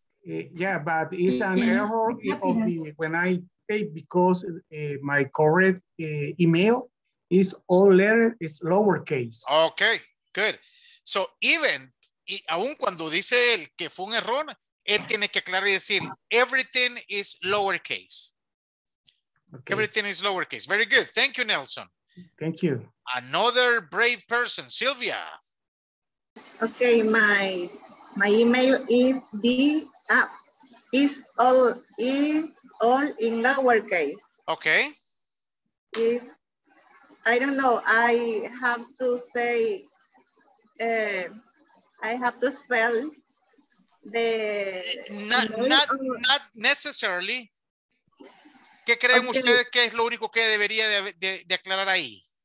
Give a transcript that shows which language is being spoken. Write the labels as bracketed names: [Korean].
[English] Yeah, but it's an error of the when I type because my correct email is all letter is lowercase. Okay, good. So even, [Spanish] aun cuando dice él que fue un error, él tiene que aclarar y decir [English] everything is lowercase. Okay. Everything is lowercase. Very good. Thank you, Nelson. Thank you. Another brave person, Sylvia. Okay, my email is all in lowercase. Okay. If I don't know, I have to say, I have to spell the not necessarily. [Spanish] ¿Qué creen [English] okay. [Spanish] ustedes que es lo único que debería de aclarar ahí?